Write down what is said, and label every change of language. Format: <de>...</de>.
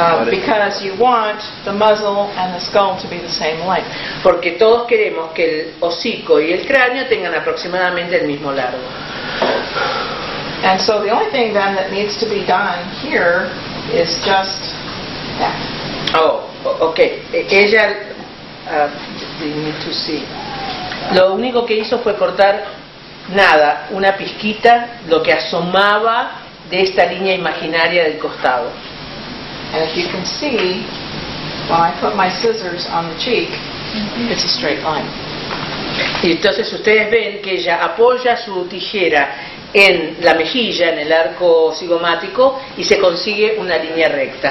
<en>Because you want the muzzle and the skull to be the same length.</en> <es>Porque todos queremos que el hocico y el cráneo tengan aproximadamente el mismo largo.</es> <en>And so the only thing then that needs to be done here is just that. Oh, okay. Ella, we need to see.</en> <es>Lo único que hizo fue cortar nada, una pizquita, lo que asomaba de esta línea imaginaria del costado.</es> <en>And if you can see, when I put my scissors on the cheek, it's a straight line.</en> <es>Y entonces ustedes ven que ella apoya su tijera en la mejilla, en el arco cigomático, y se consigue una línea recta.</es>